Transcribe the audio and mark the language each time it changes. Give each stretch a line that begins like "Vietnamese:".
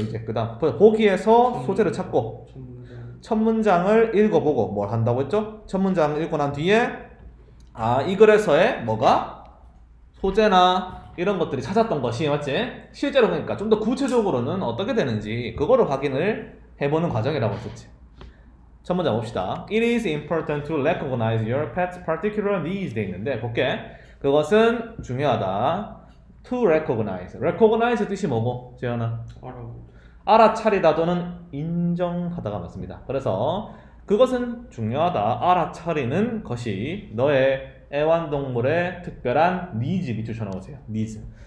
Korean: 이제 그 다음 보기에서 소재를 찾고 첫 문장을 읽어보고 뭘 한다고 했죠? 첫 문장을 읽고 난 뒤에 아, 이 글에서의 뭐가? 소재나 이런 것들이 찾았던 것이 맞지? 실제로 그러니까 좀 더 구체적으로는 어떻게 되는지 그거를 확인을 해보는 과정이라고 했었지. 첫 문장 봅시다.
English: It is important to recognize your pet's particular needs.
Korean: 돼 있는데 볼게. 그것은 중요하다.
English: To recognize.
Korean: Recognize 뜻이 뭐고? 재현아? 알아차리다 또는 인정하다가 맞습니다. 그래서 그것은 중요하다. 알아차리는 것이 너의 애완동물의 특별한 니즈. 밑줄 쳐나오세요. 니즈.